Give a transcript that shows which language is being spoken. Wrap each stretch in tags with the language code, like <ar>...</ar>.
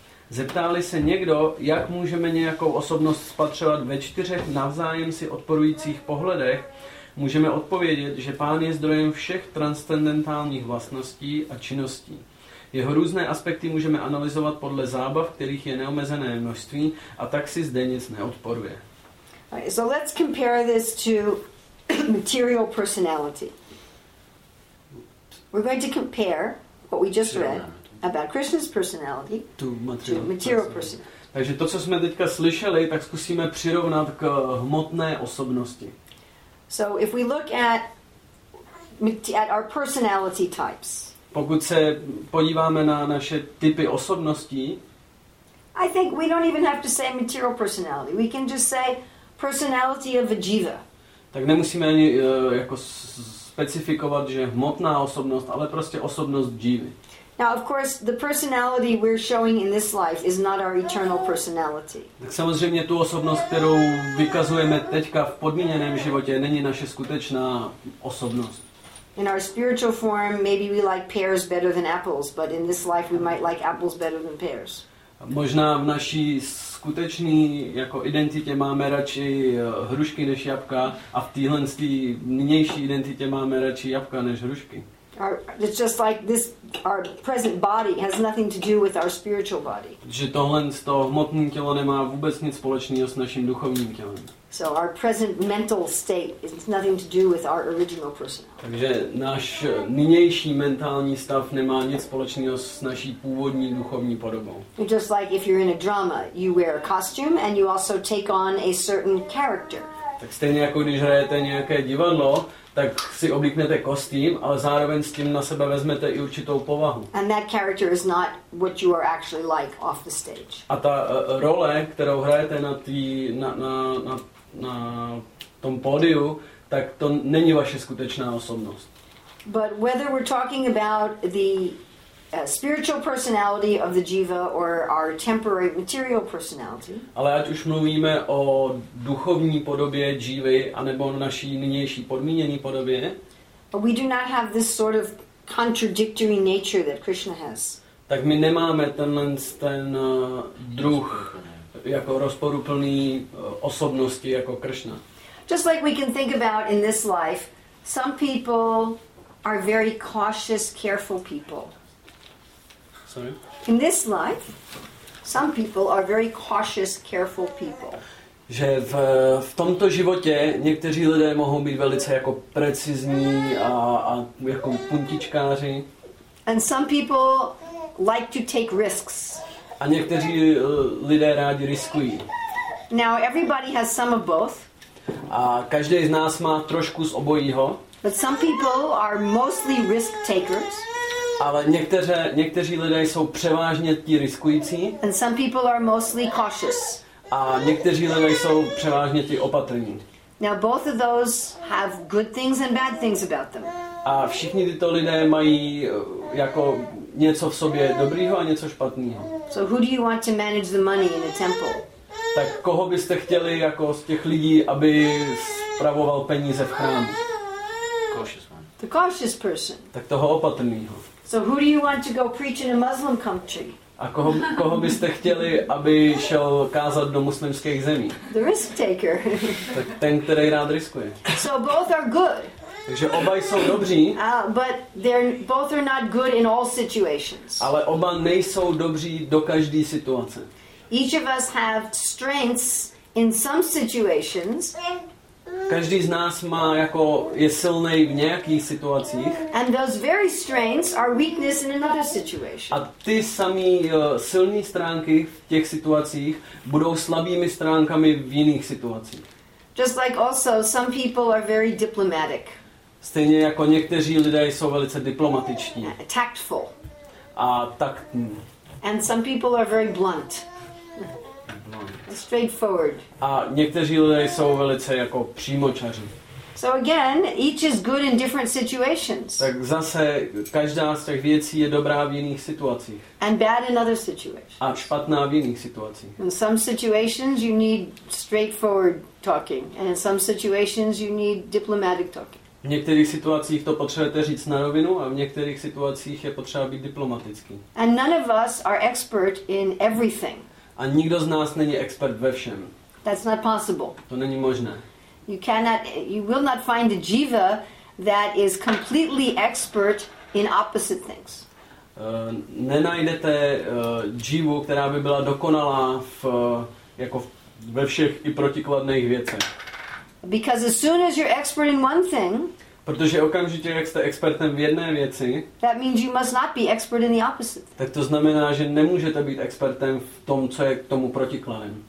<cs>Zeptá-li se někdo, jak můžeme nějakou osobnost spatřovat ve čtyřech navzájem si odporujících pohledech, můžeme odpovědět, že pán je zdrojem všech transcendentálních vlastností a činností. Jeho různé aspekty můžeme analyzovat podle zábav, kterých je neomezené množství, a tak si zde nic neodporuje.</cs> <en>Right, so let's compare this to material personality. We're going to compare what we just read about Krishna's personality to material personality.</en> <cs>Takže to, co jsme teďka slyšeli, tak zkusíme přirovnat k hmotné osobnosti.</cs> <en>So if we look at our personality types.</en> <cs>Pokud se podíváme na naše typy osobností.</cs> <en>I think we don't even have to say material personality. We can just say personality of a jiva.</en> <cs>Tak nemusíme ani jako specifikovat, že hmotná osobnost, ale prostě osobnost jivy.</cs> <en>Now of course the personality we're showing in this life is not our eternal personality.</en> <cs>Tak samozřejmě tu osobnost, kterou vykazujeme teďka v podmíněném životě, není naše skutečná osobnost.</cs> <en>In our spiritual form maybe we like pears better than apples, but in this life we might like apples better than pears.</en> <cs>Možná v naší skutečné jako identitě máme radši hrušky než jabka a v téhle nynější identitě máme radši jabka než hrušky.</cs> <en>It's just like this, our present body has nothing to do with our spiritual body.</en> <cs>Že tohle to hmotné tělo nemá vůbec nic společného s naším duchovním tělem.</cs> <en>So our present mental state has nothing to do with our original personality.</en> <cs>Takže náš nynější mentální stav nemá nic společného s naší původní duchovní podobou.</cs> <en>Just like if you're in a drama, you wear a costume and you also take on a certain character.</en> <cs>Tak stejně jako když hrajete nějaké divadlo, tak si oblíknete kostým, ale zároveň s tím na sebe vezmete i určitou povahu.</cs> <en>And that character is not what you are actually like off the stage.</en> <cs>A ta role, kterou hrajete na tý, na tom pódiu, tak to není vaše skutečná osobnost.</cs> <en>But whether we're talking about the spiritual personality of the jiva or our temporary material personality.</en> <cs>Ale ať už mluvíme o duchovní podobě jivy anebo o naší nynější podmíněné podobě.</cs> <en>But we do not have this sort of contradictory nature that Krishna has.</en> <cs>Tak my nemáme ten druh jako rozporuplný osobnosti jako Krishna.</cs> <en>Just like we can think about in this life, some people are very cautious, careful people. Sorry. In this life, some people are very cautious, careful people.</en> <cs>Že v tomto životě někteří lidé mohou být velice jako precizní a jako puntičkáři.</cs> <en>And some people like to take risks.</en> <cs>A někteří lidé rádi riskují.</cs> <en>Now everybody has some of both.</en> <cs>A každý z nás má trošku z obojího.</cs> <en>But some people are mostly risk takers.</en> <cs>Ale někteří lidé jsou převážně ti riskující.</cs> <en>And some people are mostly cautious.</en> <cs>A někteří lidé jsou převážně ti opatrní.</cs> <en>Now both of those have good things and bad things about them.</en> <cs>A všichni tyto lidé mají jako něco v sobě dobrýho a něco špatného.</cs> <en>So who do you want to manage the money in a temple?</en> <cs>Tak koho byste chtěli jako z těch lidí, aby spravoval peníze v chrámu?</cs> <en>Cautious one. The cautious person.</en> <cs>Tak toho opatrnýho.</cs> <en>So who do you want to go preach in a Muslim country?</en> <cs>A koho byste chtěli, aby šel kázat do muslimských zemí?</cs> <en>The risk taker.</en> <cs>Tak ten, který rád riskuje.</cs> <en>So both are good.</en> <cs>Takže oba jsou dobří.</cs> <en>But they're both are not good in all situations.</en> <cs>Ale oba nejsou dobří do každé situace.</cs> <en>Each of us have strengths in some situations.</en> <cs>Každý z nás má jako je silný v nějakých situacích.</cs> <en>And those very strengths are weakness in another situation.</en> <cs>A ty samé silné stránky v těch situacích budou slabými stránkami v jiných situacích.</cs> <en>Just like also some people are very diplomatic.</en> <cs>Stejně jako někteří lidé jsou velice diplomatiční.</cs> <en>Tactful.</en> <cs>A taktní.</cs> <en>And some people are very blunt. Straightforward.</en> <cs>A někteří lidé jsou velice jako přímočaři.</cs> <en>So again, each is good in different situations.</en> <cs>Tak zase každá z těch věcí je dobrá v jiných situacích.</cs> <en>And bad in other situations.</en> <cs>A špatná v jiných situacích.</cs> <en>In some situations you need straightforward talking, and in some situations you need diplomatic talking.</en> <cs>V některých situacích to potřebujete říct na rovinu, a v některých situacích je potřeba být diplomatický.</cs> <en>And none of us are expert in everything.</en> <cs>A nikdo z nás není expert ve všem.</cs> <en>That's not possible.</en> <cs>To není možné.</cs> <en>You cannot, you will not find a jiva that is completely expert in opposite things.</en> <cs>Nenajdete jivu, která by byla dokonalá v jako ve všech i protikladných věcech.</cs> <en>Because as soon as you're expert in one thing,</en> <cs>protože okamžitě, jak jste expertem v jedné věci,</cs> <en>that means you must not be expert in the opposite.</en> <cs>Tak to znamená, že nemůžete být expertem v tom, co je k tomu protikladem.</cs>